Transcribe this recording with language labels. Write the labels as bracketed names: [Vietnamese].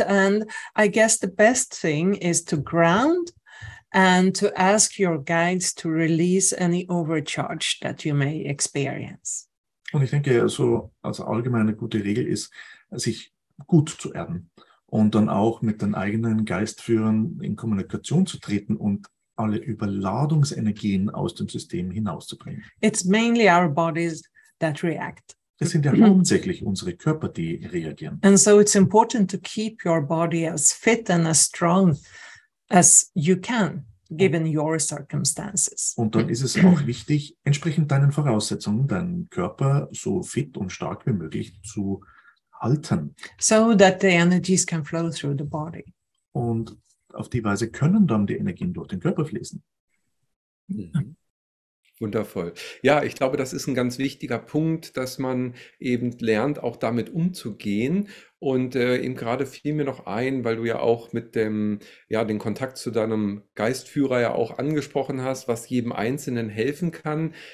[English] And I guess the best thing is to ground and to ask your guides to release any overcharge that you may experience. [German] Und ich denke, so als allgemeine gute Regel ist, sich gut zu erden und dann auch mit den eigenen Geistführern in Kommunikation zu treten und alle Überladungsenergien aus dem System hinauszubringen. [English] It's mainly our bodies that react. [German] Es sind ja hauptsächlich unsere Körper, die reagieren. [English] And so it's important to keep your body as fit and as strong as you can, given your circumstances. [German] Und dann ist es auch wichtig, entsprechend deinen Voraussetzungen, deinen Körper so fit und stark wie möglich zu halten. [English] So that the energies can flow through the body. [German] Und auf die Weise können dann die Energien durch den Körper fließen. Wundervoll. Ja, ich glaube, das ist ein ganz wichtiger Punkt, dass man eben lernt, auch damit umzugehen. Und eben gerade fiel mir noch ein, weil du ja auch mit dem, ja, den Kontakt zu deinem Geistführer ja auch angesprochen hast, was jedem Einzelnen helfen kann.